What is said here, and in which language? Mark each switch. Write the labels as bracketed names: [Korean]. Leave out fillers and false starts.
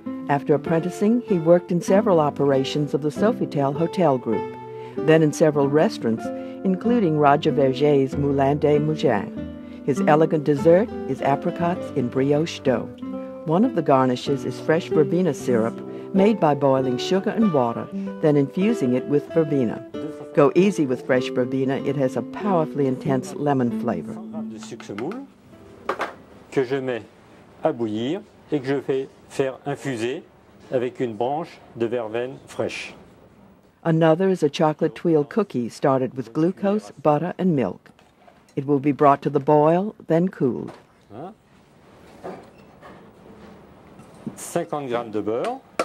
[English] After apprenticing, he worked in several operations of the Sofitel Hotel Group, then in several restaurants, including Roger Verger's Moulin des Mougins. His elegant dessert is apricots in brioche dough. One of the garnishes is fresh verbena syrup made by boiling sugar and water, then infusing it with verbena. Go easy with fresh verbena. It has a powerfully intense lemon flavor. [French] De sucre moule que je mets à bouillir et que je fais faire infuser avec une branche de verveine fraîche. [English] Another is a chocolate tuile cookie started with glucose, butter and milk. It will be brought to the boil, then cooled. [French] 50 grammes de beurre.